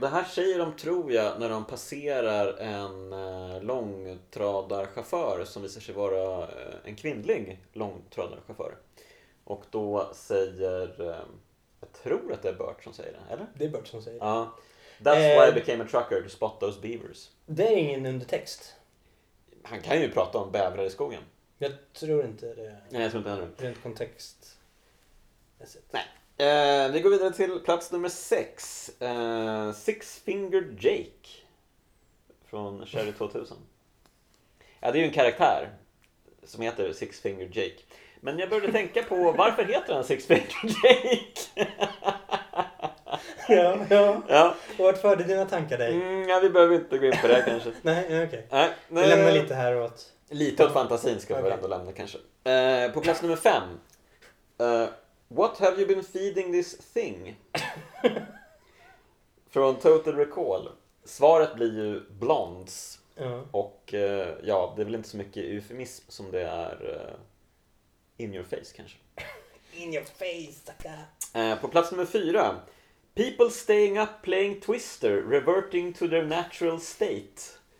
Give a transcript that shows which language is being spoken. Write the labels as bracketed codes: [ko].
[sv] Det här säger de, tror jag, när de passerar en långtradarchaufför som visar sig vara en kvinnlig långtradarchaufför. Och då säger, jag tror att det är Bert som säger det, eller? Det är Bert som säger det. Ja. [en] That's why I became a trucker, to spot those beavers. [sv] Det är ingen undertext. Han kan ju prata om bävrar i skogen. Jag tror inte det. Nej, jag tror inte heller. Rent kontext. Nej. Vi går vidare till plats nummer 6. Six Fingered Jake. Från Sherry 2000. Ja, det är ju en karaktär som heter Six Fingered Jake. Men jag började tänka på, varför heter han Six Fingered Jake? Ja. Och vart förde dina tankar dig? Ja, vi behöver inte gå in på det kanske. Nej, okej. Vi lämnar lite här åt. Lite åt fantasin ska vi ändå lämna kanske. På plats nummer 5. [en] What have you been feeding this thing? [sv] Från Total Recall. Svaret blir ju blondes. Uh-huh. Och ja, det är väl inte så mycket eufemism som det är [en] in your face [sv] kanske. [en] In your face, [sv] tacka. På plats nummer 4. [en] People staying up playing Twister, reverting to their natural state.